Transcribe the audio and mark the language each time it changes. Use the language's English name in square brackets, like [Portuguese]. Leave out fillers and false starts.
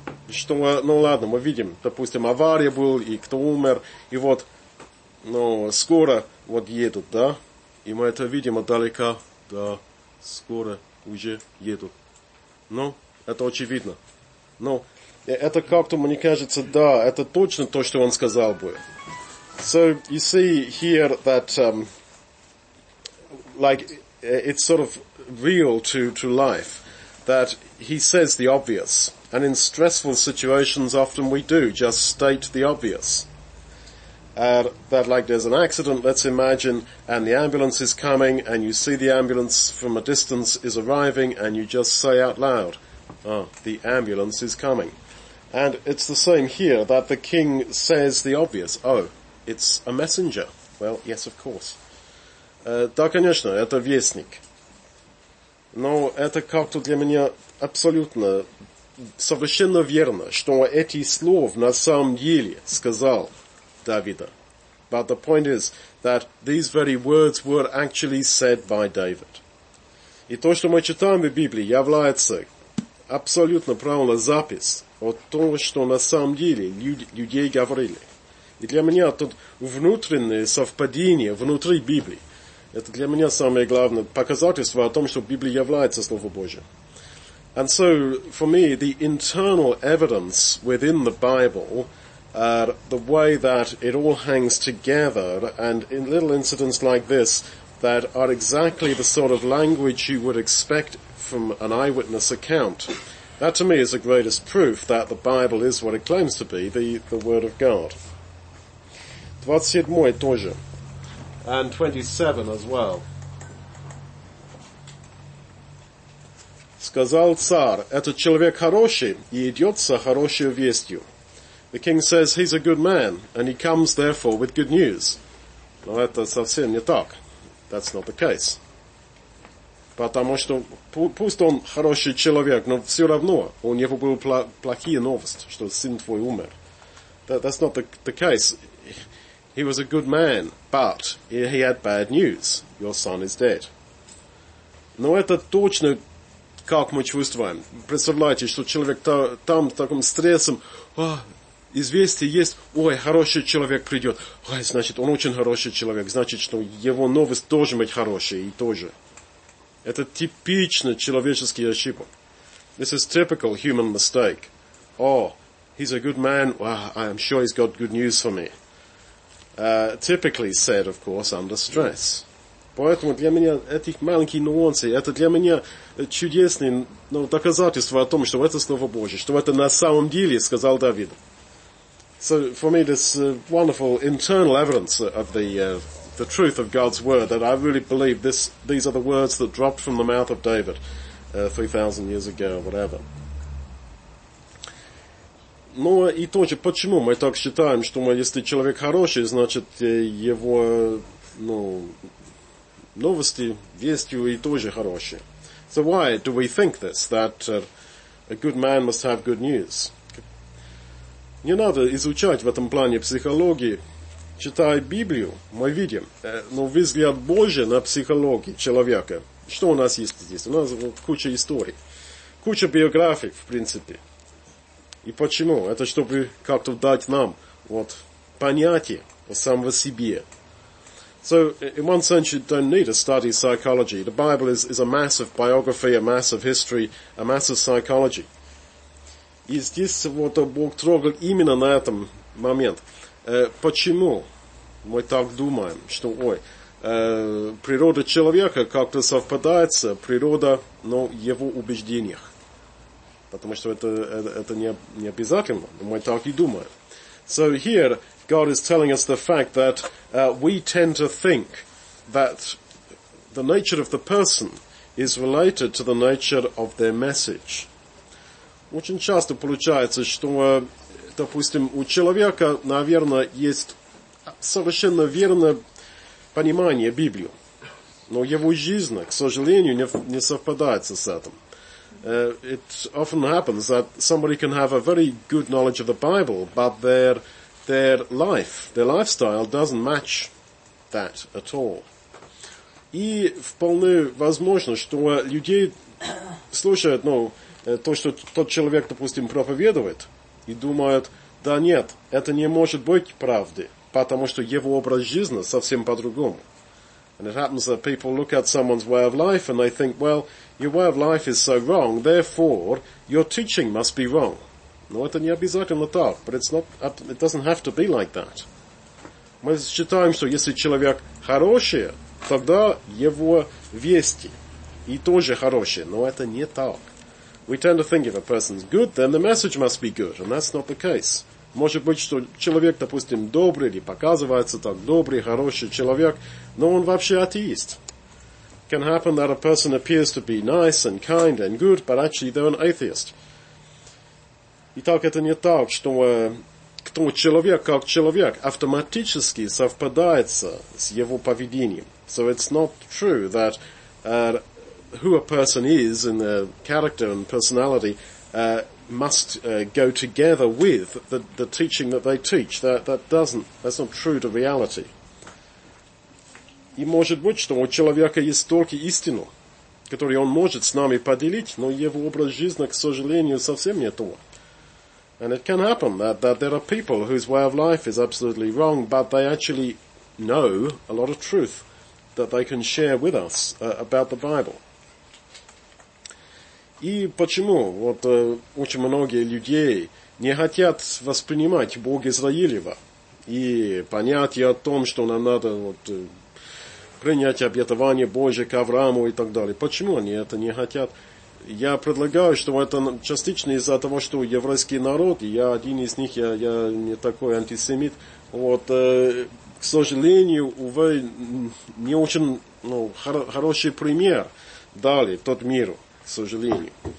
[Russian] Что, ну ладно, мы видим, допустим, авария была, и кто умер, и вот, ну, скоро вот едут, да? И мы это видим отдалека, да, скоро уже едут. Ну, это очевидно. Ну, это как-то, мне кажется, да, это точно то, что он сказал бы. [English] So, you see here that, like, it's sort of real to life, that he says the obvious. And in stressful situations, often we do just state the obvious. That like there's an accident, let's imagine, and the ambulance is coming, and you see the ambulance from a distance is arriving, and you just say out loud, oh, the ambulance is coming. And it's the same here, that the king says the obvious, oh, it's a messenger. Well, yes, of course. [Russian] Да, конечно, это вестник. Но это как-то для меня абсолютно... Совершенно верно, что эти слова на самом деле сказал Давида. [English] But the point is that these very words were actually said by David. [Russian] И то, что мы читаем в Библии, является абсолютно правильным записью о том, что на самом деле люди говорили. И для меня тут внутреннее совпадение внутри Библии, это для меня самое главное показательство о том, что Библия является Словом Божьим. [English] And so, for me, the internal evidence within the Bible, the way that it all hangs together, and in little incidents like this, that are exactly the sort of language you would expect from an eyewitness account, that to me is the greatest proof that the Bible is what it claims to be, the Word of God. [Russian] 27 тоже. [English] And 27 as well. [Russian] Сказал царь, этот человек хороший, и идет со хорошей вестью. [English] The king says, he's a good man, and he comes therefore with good news. [Russian] Но это совсем не так. [English] That's not the case. [Russian] Потому что пусть он хороший человек, но все равно у него была плохая новость, что сын твой умер. [English] That's not the case. He was a good man, but he had bad news. Your son is dead. [Russian] Но это точно... Как мы чувствуем? Представляете, что человек там в таком стрессе, известие есть, ой, хороший человек придет. Ой, значит, он очень хороший человек, значит, что его новость должен быть хорошей и тоже. Это типично человеческий ошибок. [English] This is typical human mistake. Oh, he's a good man, I'm sure he's got good news for me. Typically said, of course, under stress. [Russian] Поэтому для меня эти маленькие нюансы, это для меня чудесное, ну, доказательство о том, что это Слово Божье, что это на самом деле сказал Давид. [English] So for me this wonderful internal evidence of the truth of God's word that I really believe these are the words that dropped from the mouth of David 3,000 years ago or whatever. [Russian] Ну и тоже, почему мы так считаем, что мы, если человек хороший, значит его, ну, новости, вестью и тоже хорошие. [English] So why do we think this, that a good man must have good news? [Russian] Не надо изучать в этом плане психологии. Читая Библию, мы видим, но взгляд Божий на психологию человека. Что у нас есть здесь? У нас куча историй. Куча биографий, в принципе. И почему? Это чтобы как-то дать нам вот, понятие о самого себе. [English] So, in one sense, you don't need to study psychology. The Bible is a massive biography, a massive history, a massive psychology. [Russian] И здесь вот Бог трогал именно на этом момент. Почему мы так думаем, что, ой, природа человека как-то совпадает с природой, но его убеждениях? Потому что это не обязательно, но мы так и думаем. [English] So, here... God is telling us the fact that we tend to think that the nature of the person is related to the nature of their message. [Russian] Очень часто получается, что, допустим, у человека, наверное, есть совершенно верное понимание Библии. Но его жизнь, к сожалению, не совпадает с этим. [English] It often happens that somebody can have a very good knowledge of the Bible, but their life, their lifestyle doesn't match that at all. [Russian] И вполне возможно, что люди слушают, ну, то, что тот человек, допустим, проповедует, и думают, да нет, это не может быть правдой, потому что его образ жизни совсем по-другому. [English] And it happens that people look at someone's way of life and they think, well, your way of life is so wrong, therefore, your teaching must be wrong. [Russian] Но это не обязательно так, [English] but it doesn't have to be like that. [Russian] Мы считаем, что если человек хороший, тогда его вести и тоже хорошие, но это не так. [English] We tend to think if a person's good, then the message must be good, and that's not the case. [Russian] Может быть, что человек, допустим, добрый, или показывается так, добрый, хороший человек, но он вообще атеист. [English] Can happen that a person appears to be nice and kind and good, but actually they're an atheist. [Russian] Итак, это не так, что кто человек как человек автоматически совпадается с его поведением. [English] So it's not true that who a person is in their character and personality must go together with the teaching that they teach. That's not true to reality. [Russian] И может быть, что у человека есть только истину, которую он может с нами поделить, но его образ жизни, к сожалению, совсем не то. [English] And it can happen that there are people whose way of life is absolutely wrong, but they actually know a lot of truth that they can share with us about the Bible. [Russian] И почему вот очень многие люди не хотят воспринимать Бога Израилева и понятие о том, что нам надо вот принять обетование Божие к Аврааму и так далее? Почему они это не хотят? Я предлагаю, что это частично из-за того, что еврейский народ, и я один из них, я не такой антисемит, вот, к сожалению, увы, не очень хороший пример дали тот миру, к сожалению.